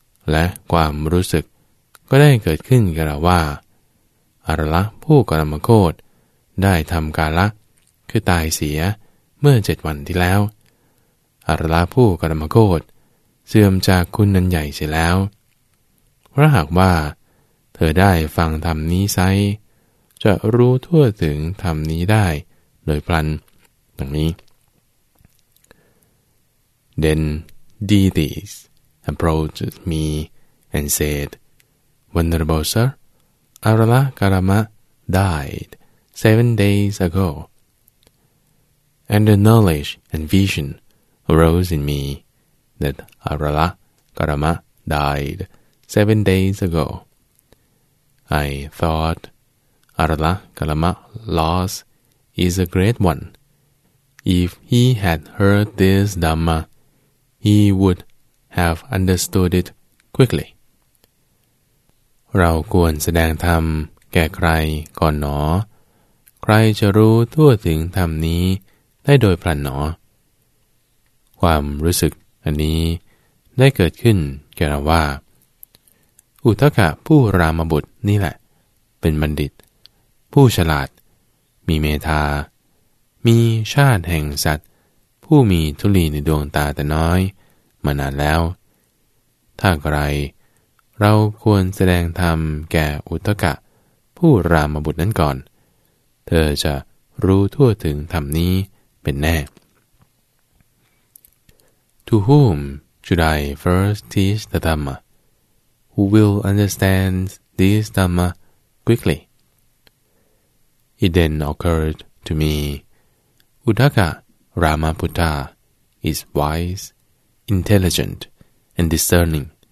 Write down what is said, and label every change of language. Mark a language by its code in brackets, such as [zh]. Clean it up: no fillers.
[th] และความรู้สึกก็ได้เกิดขึ้นกล่าวว่าอารละผู้กรมโคตได้ทำกาละคือตายเสียเมื่อ7วันที่แล้วอารละผู้กรมโคตเสื่อมจากคุณนันใหญ่เสียแล้วเพราะหากว่าเธอได้ฟังธรรมนี้ไซจะรู้ทั่วถึงธรรมนี้ได้โดยพลันดังนี้ [en] Then deities approached me and said, Venerable sir, Arala Karma died 7 days ago. And the knowledge and vision arose in meme that Arala Karma died 7 days ago. I thought Arala Karma loss is a great one. If he had heard this Dhamma, he would have understood it quickly. [th] เราควรแสดงธรรมแก่ใครก่อนหนอใครจะรู้ทั่วถึงธรรมนี้ได้โดยพลันหนอ ความรู้สึก อันนี้ได้เกิดขึ้นแก่เราว่าอุทกะผู้รามบุตรนี่แหละเป็นบัณฑิตผู้ฉลาดมีเมตตามีชาติแห่งสัตว์ผู้มีทุลีในดวงตาแต่น้อยมานานแล้วถ้าใครเราควรแสดงธรรมแก่อุทกะผู้รามบุตรนั้นก่อนเธอจะรู้ทั่วถึงธรรมนี้เป็นแน่ [en] To whom should I first teach the Dhamma? Who will understand this Dhamma quickly? It then occurred to me, Uttaka Ramaputta is wise, intelligent, and discerning.